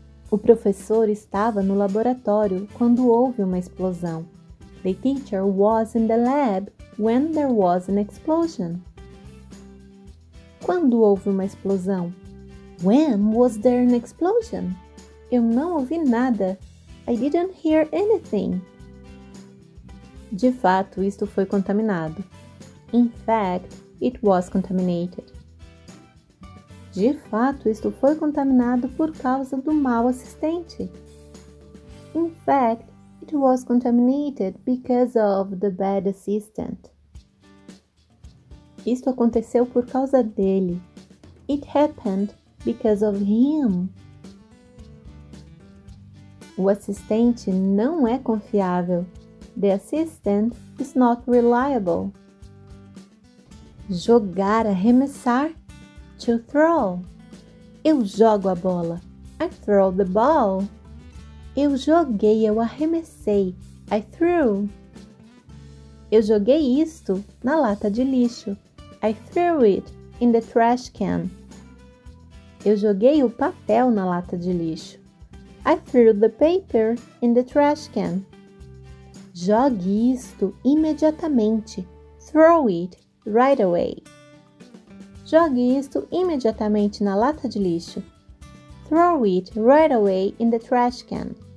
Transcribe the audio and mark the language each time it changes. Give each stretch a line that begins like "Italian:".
Portuguese: O professor estava no laboratório quando houve uma explosão.
English: The teacher was in the lab when there was an explosion.
Portuguese: Quando houve uma explosão?
English: When was there an explosion?
Portuguese: Eu não ouvi nada.
English: I didn't hear anything.
Portuguese: De fato, isto foi contaminado.
English: In fact, it was contaminated.
Portuguese: De fato, isto foi contaminado por causa do mau assistente.
English: In fact, it was contaminated because of the bad assistant.
Portuguese: Isto aconteceu por causa dele.
English: It happened because of him.
Portuguese: O assistente não é confiável.
English: The assistant is not reliable.
Portuguese: Jogar, arremessar.
English: To throw.
Portuguese: Eu jogo a bola.
English: I throw the ball.
Portuguese: Eu joguei, eu arremessei.
English: I threw.
Portuguese: Eu joguei isto na lata de lixo.
English: I threw it in the trash can.
Portuguese: Eu joguei o papel na lata de lixo.
English: I threw the paper in the trash can.
Portuguese: Jogue isto imediatamente.
English: Throw it right away.
Portuguese: Jogue isto imediatamente na lata de lixo.
English: Throw it right away in the trash can.